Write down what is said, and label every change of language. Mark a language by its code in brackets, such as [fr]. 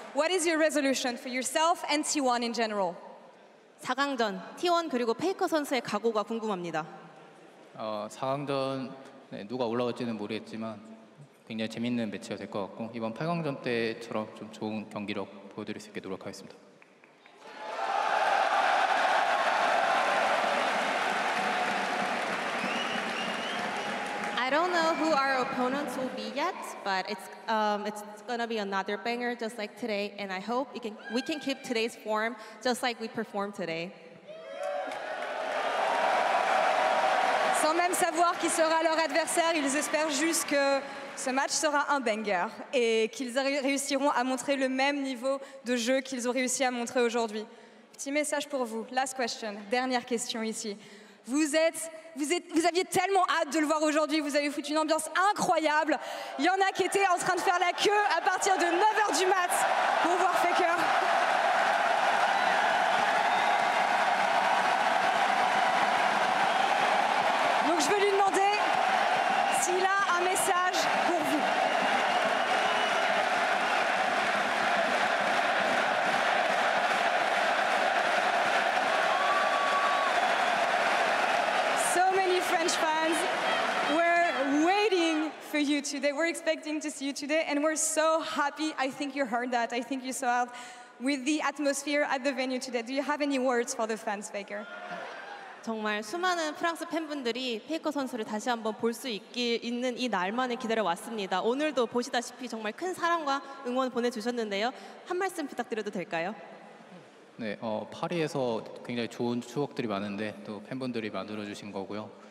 [en] What is your resolution for yourself and T1 in general? [ko] 4강전, T1 그리고 페이커 선수의 각오가 궁금합니다. 4강전 네, 누가 올라갈지는 모르겠지만 굉장히 재밌는 매치가 될 것 같고 이번 8강전 때처럼 좀 좋은 경기력 보여드릴 수 있게 노력하겠습니다. [en] I don't know who our opponents will be yet, but it's gonna be another banger just like today, and I hope we can keep today's form just like we performed today. [fr] Sans même savoir qui sera leur adversaire, ils espèrent juste que ce match sera un banger et qu'ils réussiront à montrer le même niveau de jeu qu'ils ont réussi à montrer aujourd'hui. Petit message pour vous, [en] last question, [fr] dernière question ici. Vous aviez tellement hâte de le voir aujourd'hui, vous avez foutu une ambiance incroyable. Il y en a qui étaient en train de faire la queue à partir de 9h du mat pour voir Faker. Donc je veux lui demander s'il a un message pour vous. [en] French fans, we're waiting for you today. We're expecting to see you today, and we're so happy. I think you heard that. I think you saw it with the atmosphere at the venue today. Do you have any words for the fans, Faker? [ko] 정말 수많은 프랑스 팬분들이 페이커 선수를 다시 한번 볼 수 있는 이 날만을 기다려왔습니다. 오늘도 보시다시피 정말 큰 사랑과 응원 보내주셨는데요. 한 말씀 부탁드려도 될까요? 네, 파리에서 굉장히 좋은 추억들이 많은데 또 팬분들이 만들어주신 거고요.